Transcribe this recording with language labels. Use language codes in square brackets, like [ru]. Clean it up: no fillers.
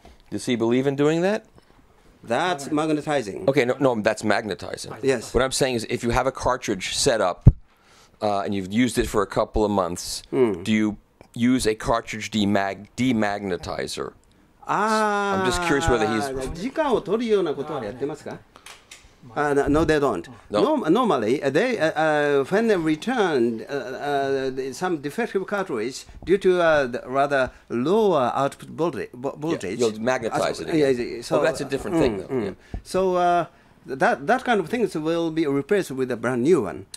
[en] Does he believe in doing that? That's magnetizing. Okay, no, that's magnetizing. Yes. What I'm saying is if you have a cartridge set up and you've used it for a couple of months, do you use a cartridge demagnetizer? I'm just curious whether he's... [ja] 時間を取るようなことはやってますか? [en] No, they don't. Normally, they when they return some defective cartridge due to the rather lower output voltage, you'll magnetize it again. So that's a different thing, though. So that kind of things will be replaced with a brand new one.